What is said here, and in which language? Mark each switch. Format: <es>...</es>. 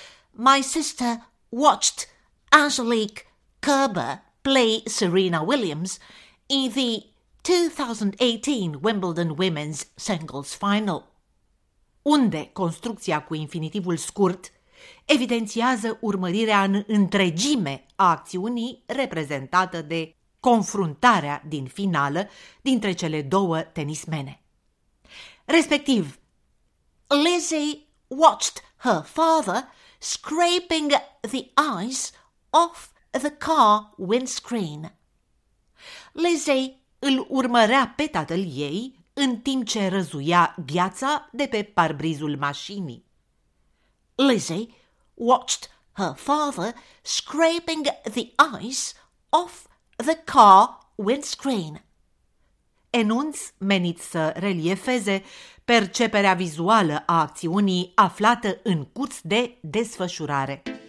<en>My sister watched Angelique Kerber play Serena Williams in the 2018 Wimbledon Women's Singles Final.</en> <ro>Unde construcția cu infinitivul scurt evidențiază urmărirea în întregime a acțiunii reprezentată de confruntarea din finală dintre cele două tenismene. Respectiv,</ro> <en>Lizzie watched her father scraping the ice off the car windscreen.</en> <ro>Lizzie îl urmărea pe tatăl ei în timp ce răzuia gheața de pe parbrizul mașinii.</ro> <en>Lizzie watched her father scraping the ice off the car windscreen.</en> <ro>Enunț menit să reliefeze perceperea vizuală a acțiunii aflată în curs de desfășurare.</ro>